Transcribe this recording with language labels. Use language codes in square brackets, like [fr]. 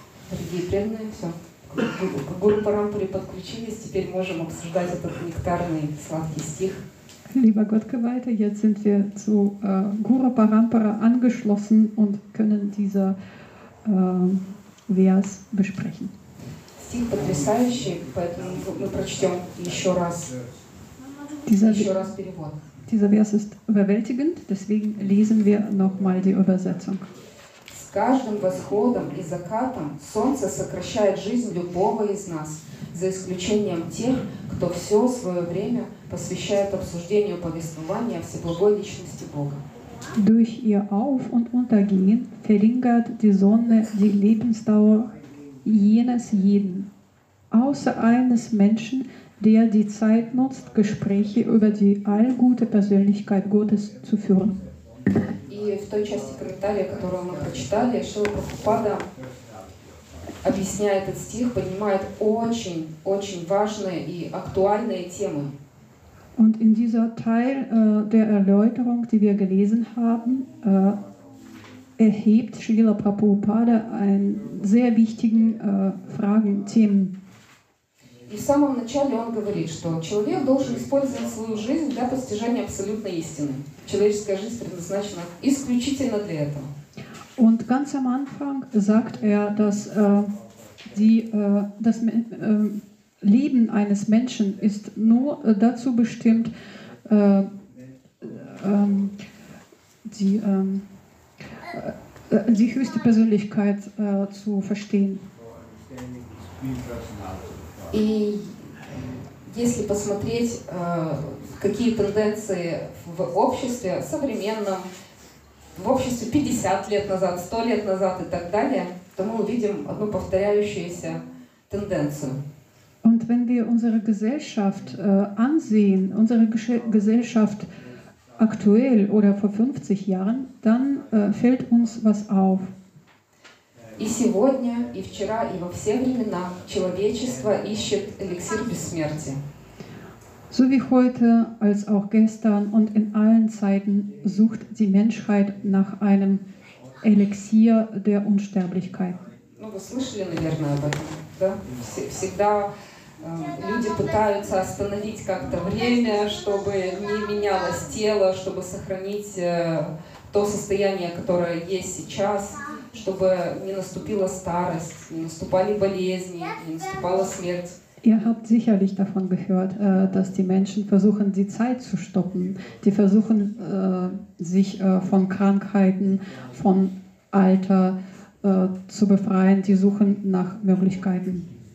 [ru] Дорогие преданные, все. К Гуру Парампуре подключились, теперь можем обсуждать этот нектарный сладкий стих. [de] Lieber Gott Geweihte, jetzt sind wir zu Guru Parampara angeschlossen und können dieser Vers besprechen. [ru] Стих потрясающий, поэтому мы прочтем еще раз. [de] Dieser Vers ist überwältigend, deswegen lesen wir nochmal die Übersetzung. [ru] С каждым восходом и закатом солнце сокращает жизнь любого из нас, за исключением тех, кто все свое время посвящает обсуждению повествования о всеблагой личности Бога. [de] Durch ihr Auf- und Untergehen verringert die Sonne die Lebensdauer jenes jeden, außer eines Menschen, der die Zeit nutzt, Gespräche über die allgute Persönlichkeit Gottes zu führen. [ru] И в той части комментария, которую мы прочитали, Шрила Прабхупада объясняет этот стих, поднимает очень-очень важные и актуальные темы. [de] Und in dieser Teil der Erläuterung, die wir gelesen haben, erhebt Srila Prabhupada einen sehr wichtigen Fragenthemen. [ru] И в самом начале он говорит, что человек должен использовать свою жизнь для постижения абсолютной истины. Человеческая жизнь предназначена исключительно для этого. [de] Und ganz am Anfang sagt er, dass das Leben eines Menschen ist nur dazu bestimmt, die höchste Persönlichkeit zu verstehen. [ru] И если посмотреть, какие тенденции в обществе современном, в обществе 50 лет назад, 100 лет назад и так далее, то мы увидим одну повторяющуюся тенденцию. [de] Und wenn wir unsere Gesellschaft ansehen, unsere Gesellschaft aktuell oder vor 50 Jahren, dann fällt uns was auf. [ru] И сегодня, и вчера, и во все времена человечество ищет эликсир бессмертия. [de] So wie heute, als auch gestern und in allen Zeiten sucht die Menschheit nach einem Elixier der Unsterblichkeit. [ru] Ну, вы слышали, наверное, об этом, да? Всегда люди пытаются остановить как-то время, чтобы не менялось тело, чтобы сохранить то состояние, которое есть сейчас, чтобы не наступила старость, не наступали болезни, не наступала смерть. [de] Ihr habt sicherlich davon gehört, dass die Menschen versuchen, die Zeit zu stoppen. Die versuchen, sich von Krankheiten, von Alter zu befreien. Die suchen nach Möglichkeiten.